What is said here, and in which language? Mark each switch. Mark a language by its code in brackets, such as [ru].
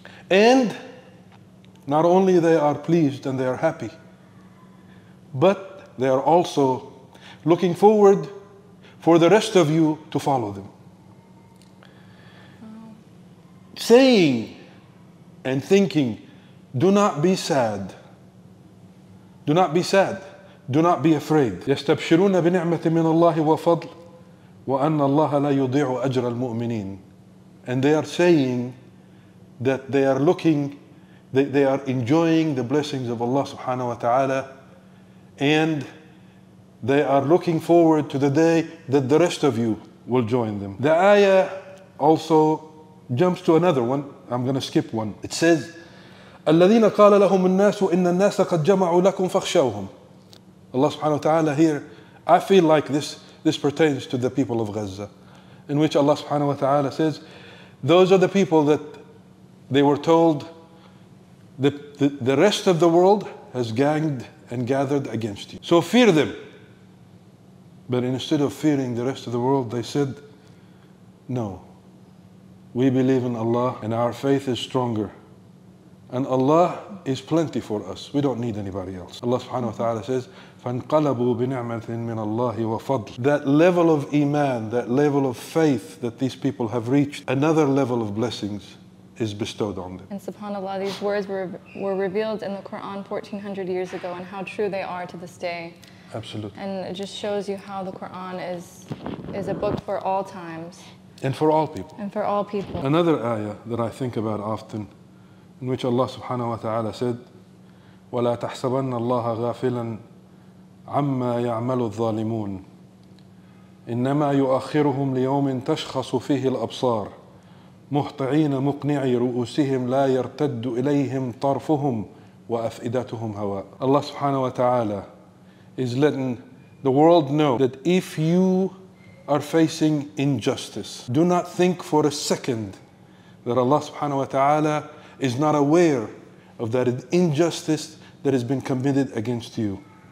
[en] And not only they are pleased and they are happy, but they are also looking forward for the rest of you to follow them. Saying and thinking, do not be sad. Do not be sad. Do not be afraid. [ar] يستبشرون بنعمة من الله وفضل وأن الله لا يضيع أجر المؤمنين. [en] And they are saying that they are looking, they are enjoying the blessings of Allah subhanahu wa ta'ala, and they are looking forward to the day that the rest of you will join them. The ayah also jumps to another one. I'm going to skip one. It says, [ar] الَّذِينَ قَالَ لَهُمُ النَّاسُ إِنَّ النَّاسَ قَدْ جَمَعُوا لَكُمْ فَخْشَوْهُمْ. [en] Allah subhanahu wa ta'ala here, I feel like this pertains to the people of Gaza, in which Allah subhanahu wa ta'ala says, those are the people that they were told that the rest of the world has ganged and gathered against you. So fear them. But instead of fearing the rest of the world, they said, no. We believe in Allah and our faith is stronger. And Allah is plenty for us. We don't need anybody else. Allah subhanahu wa ta'ala says, [ar] فَانْقَلَبُوا بِنِعْمَةٍ مِّنَ اللَّهِ وَفَضْلٍ. [en] That level of iman, that level of faith that these people have reached, another level of blessings is bestowed on them. And subhanAllah, these words were revealed in the Quran 1400 years ago and how true they are to this day. Absolutely. And it just shows you how the Quran is a book for all times. And for all people. And for all people. Another ayah that I think about often, in which Allah subhanahu wa ta'ala said, [ar] وَلَا تَحْسَبَنَّ اللَّهَ غَافِلًا عَمَّا يَعْمَلُ الظَّالِمُونَ إِنَّمَا يُؤَخِّرُهُمْ لِيَوْمٍ تَشْخَصُ فِيهِ الْأَبْصَارِ مُهْطِعِينَ مُقْنِعِي رُؤُسِهِمْ لَا يَرْتَدُّ إِلَيْهِمْ طَرْفُهُمْ وَأَفْئِدَتُهُمْ هَوَاءٌ. [en] Allah subhanahu wa ta'ala is letting the world know that if you are facing injustice, do not think for a second that Allah subhanahu wa ta'ala is not aware of that injustice that has been committed against you.